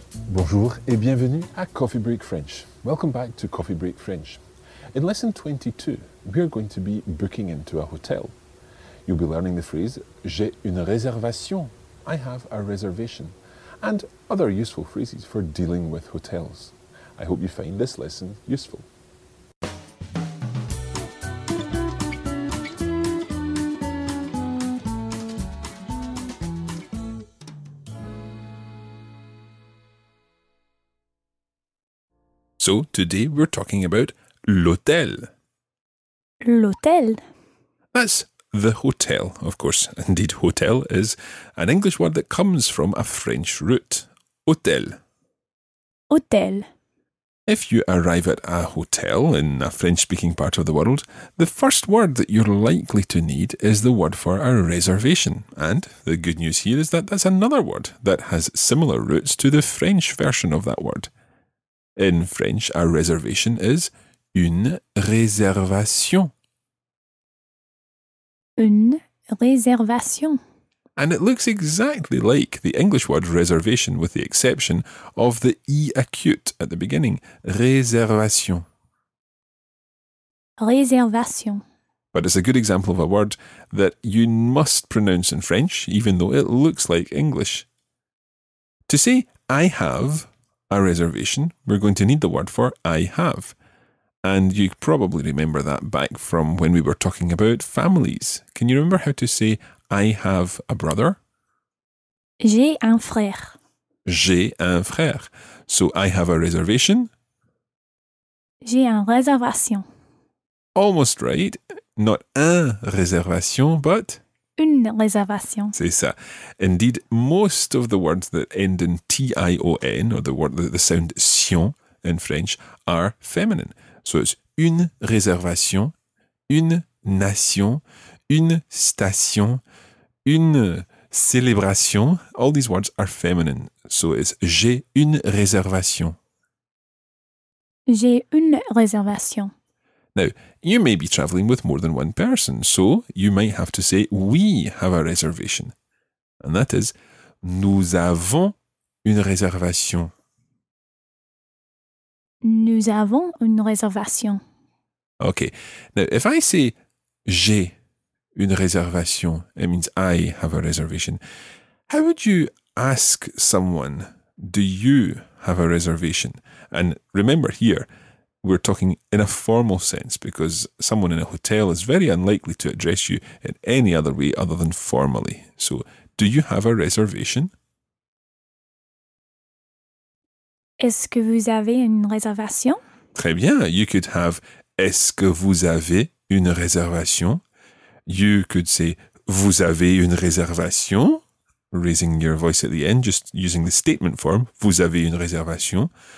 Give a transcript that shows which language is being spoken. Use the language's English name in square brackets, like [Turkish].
[French] Bonjour et bienvenue à Coffee Break French. [English] Welcome back to Coffee Break French. In lesson 22, we are going to be booking into a hotel. You'll be learning the phrase, [French] j'ai une réservation, [English] I have a reservation, and other useful phrases for dealing with hotels. I hope you find this lesson useful. So today we're talking about l'hôtel. [French] L'hôtel. [English] That's the hotel, of course. Indeed, hotel is an English word that comes from a French root. [French] Hôtel. Hôtel. [English] If you arrive at a hotel in a French-speaking part of the world, the first word that you're likely to need is the word for a reservation. And the good news here is that that's another word that has similar roots to the French version of that word. In French, a reservation is une réservation. [French] Une réservation. [English] And it looks exactly like the English word reservation with the exception of the E acute at the beginning. [French] Réservation. Réservation. [English] But it's a good example of a word that you must pronounce in French, even though it looks like English. To say, I have a reservation, we're going to need the word for I have. And you probably remember that back from when we were talking about families. Can you remember how to say, I have a brother? [French] J'ai un frère. J'ai un frère. So, I have a reservation. J'ai un réservation. [English] Almost right. Not [French] un réservation, [English] but [French] une réservation. C'est ça. [English] Indeed, most of the words that end in T-I-O-N, or the word, the sound sion in French, are feminine. So it's [French] une réservation, une nation, une station, une célébration. [English] All these words are feminine. So it's [French] j'ai une réservation. J'ai une réservation. [English] Now, you may be travelling with more than one person, so you might have to say we have a reservation. And that is [French] nous avons une réservation. Nous avons une réservation. [English] Okay. Now, if I say [French] j'ai une réservation, [English] it means I have a reservation. How would you ask someone, do you have a reservation? And remember here, we're talking in a formal sense because someone in a hotel is very unlikely to address you in any other way other than formally. So, do you have a reservation? [French] Est-ce que vous avez une réservation? Très bien. [English] You could have, [French] est-ce que vous avez une réservation? [English] You could say, [French] vous avez une réservation? [English] Raising your voice at the end, just using the statement form, [French] vous avez une réservation?